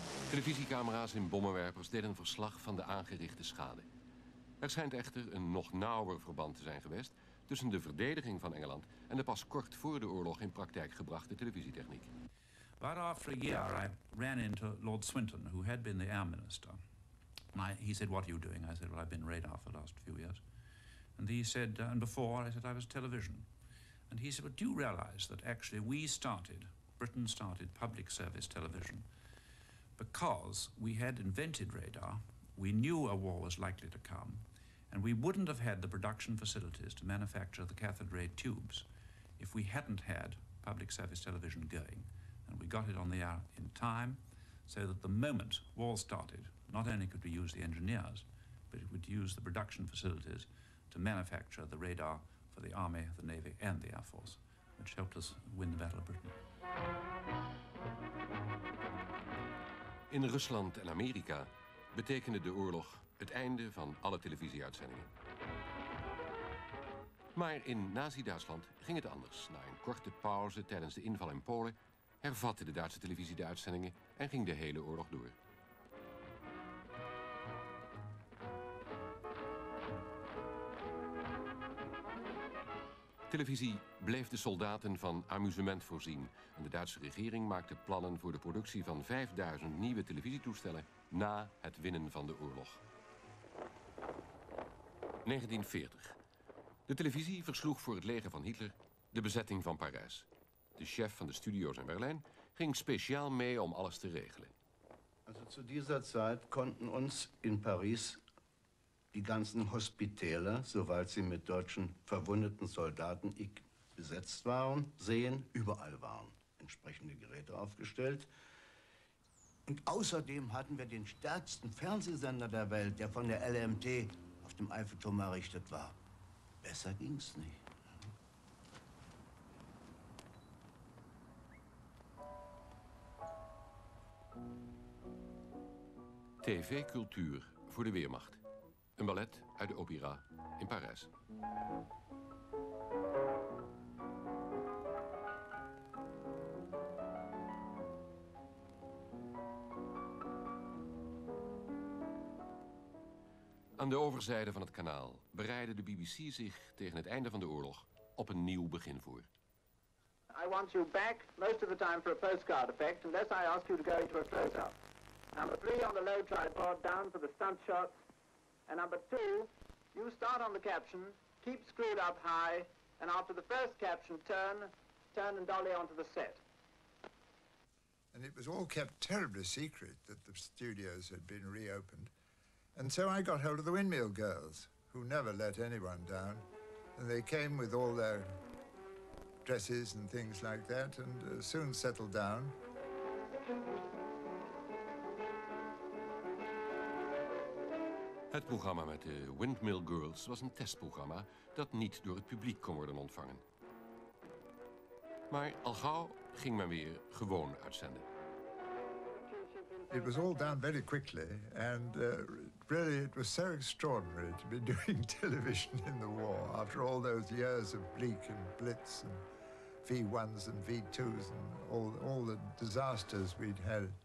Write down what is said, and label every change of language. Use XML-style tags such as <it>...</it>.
<nl>Televisiecamera's in bommenwerpers deden een verslag van de aangerichte schade. Er schijnt echter een nog nauwer verband te zijn geweest tussen de verdediging van Engeland en de pas kort voor de oorlog in praktijk gebrachte televisietechniek.</nl> <en>But after a year I ran into Lord Swinton, who had been the air minister. He said, what are you doing? I said, well, I've been radar for the last few years. And he said, and before I said I was television. And he said, well, do you realize that actually we started, Britain started public service television because we had invented radar, we knew a war was likely to come, and we wouldn't have had the production facilities to manufacture the cathode ray tubes if we hadn't had public service television going. And we got it on the air in time, so that the moment war started, not only could we use the engineers, but we could use the production facilities to manufacture the radar for the Army, the Navy, and the Air Force, which helped us win the Battle of Britain.</en> <nl>In Rusland en Amerika betekende de oorlog het einde van alle televisieuitzendingen. Maar in Nazi-Duitsland ging het anders. Na een korte pauze tijdens de inval in Polen hervatte de Duitse televisie de uitzendingen en ging de hele oorlog door. Televisie bleef de soldaten van amusement voorzien. En de Duitse regering maakte plannen voor de productie van 5000 nieuwe televisietoestellen na het winnen van de oorlog. 1940. De televisie versloeg voor het leger van Hitler de bezetting van Parijs. De chef van de studio's in Berlijn ging speciaal mee om alles te regelen.</nl> <de>Also, zu dieser Zeit konnten uns in Paris die ganzen Hospitäle, soweit sie mit deutschen verwundeten Soldaten besetzt waren, sehen. Überall waren entsprechende Geräte aufgestellt. Und außerdem hatten wir den stärksten Fernsehsender der Welt, der von der LMT auf dem Eiffelturm errichtet war. Besser ging's nicht.</de> <nl>TV-cultuur voor de Weermacht. Een ballet uit de opera in Parijs. Aan de overzijde van het kanaal bereidde de BBC zich tegen het einde van de oorlog op een nieuw begin voor.</nl> <en>I want you back most of the time for a postcard effect, unless I ask you to go into a close-up. Number three on the low tripod, down for the stunt shots. And number two, you start on the caption, keep screwed up high, and after the first caption, turn and dolly onto the set. And it was all kept terribly secret that the studios had been reopened. And so I got hold of the windmill girls, who never let anyone down. And they came with all their dresses and things like that, and soon settled down.</en> <nl>Het programma met de Windmill Girls was een testprogramma dat niet door het publiek kon worden ontvangen. Maar al gauw ging men weer gewoon uitzenden.</nl> <en>It was all done very quickly and really it was so extraordinary to be doing television in the war after all those years of bleak and blitz and V1's and V2's and all the disasters we'd had.</en>